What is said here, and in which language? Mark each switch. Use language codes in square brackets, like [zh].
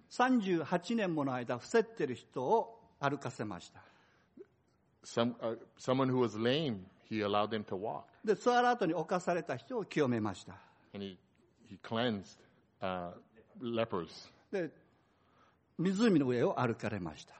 [ja] 38年もの間伏せてる人を歩かせました。 [en] Someone who was lame, he allowed them to walk. [ja] で、座る後に侵された人を清めました。 [en] And he cleansed lepers. [ja] で、湖の上を歩かれました。